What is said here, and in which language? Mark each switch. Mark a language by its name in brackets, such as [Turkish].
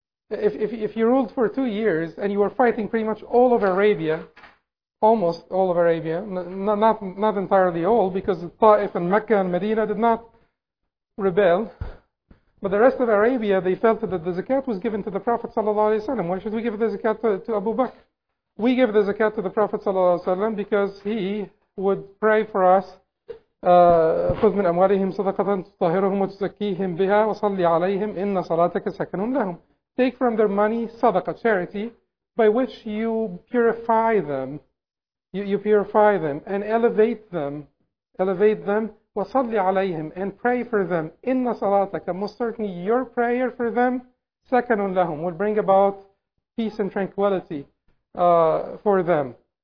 [English] If you ruled for 2 years and you were fighting pretty much all of Arabia, almost all of Arabia, not entirely all, because Taif and Mecca and Medina did not rebel. But the rest of Arabia, they felt that the zakat was given to the Prophet ﷺ. Why should we give the zakat to Abu Bakr? We give the zakat to the Prophet ﷺ because he would pray for us. [Arabic] خذ من أموالهم صدقة تطهرهم وتزكيهم بها وصلي عليهم إن صلاتك سكن لهم. [English] Take from their money صدقة, charity, by which you purify them. You purify them and elevate them. Elevate them. وصلي عليهم and pray for them. إن صلاتك, most certainly your prayer for them, سكن لهم, will bring about peace and tranquility for them.